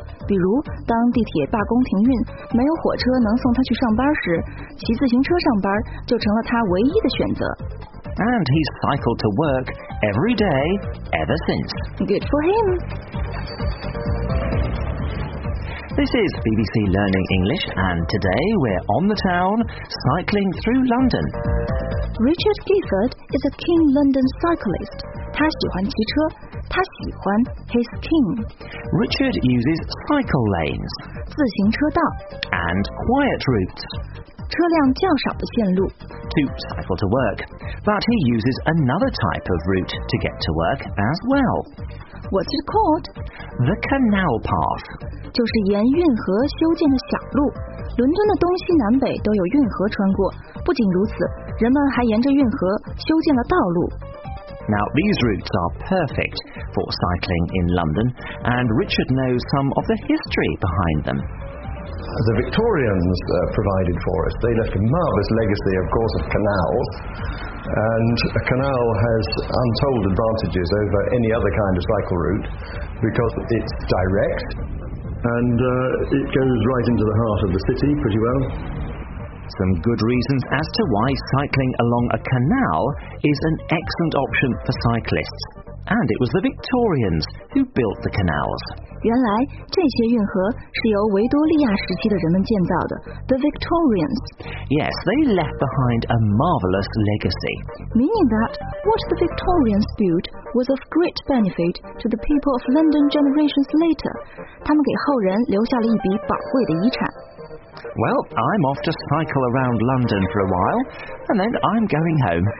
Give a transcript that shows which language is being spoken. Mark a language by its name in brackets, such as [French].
[Chinese] 比如当地铁罢工停运没有火车能送他去上班时骑自行车上班就成了他唯一的选择。 [English] And he's cycled to work every day ever since. Good for him. This is BBC Learning English, and today we're on the town, cycling through London. Richard Gifford is a keen London cyclist. [Chinese] 他喜欢骑车，他喜欢 [English] he's keen. Richard uses cycle lanes. [Chinese] 自行车道 [English] and quiet routes. [Chinese] 车辆较少的线路 [English] to cycle to work. But he uses another type of route to get to work as well. What's it called? The canal path. [Chinese] 就是沿运河修建的小路。伦敦的东西南北都有运河穿过。不仅如此，人们还沿着运河修建了道路。 [English] Now, these routes are perfect for cycling in London, and Richard knows some of the history behind them. The Victorians provided for us. They left a marvellous legacy, of course, of canals. And a canal has untold advantages over any other kind of cycle route because it's direct and it goes right into the heart of the city pretty well. Some good reasons as to why cycling along a canal is an excellent option for cyclists. And it was the Victorians who built the canals. [Chinese] 原来这些运河是由维多利亚时期的人们建造的 [English] The Victorians. Yes, they left behind a marvelous legacy. Meaning that what the Victorians built was of great benefit to the people of London generations later. [Chinese] 他们给后人留下了一笔宝贵的遗产。 [English] Well, I'm off to cycle around London for a while, and then I'm going home.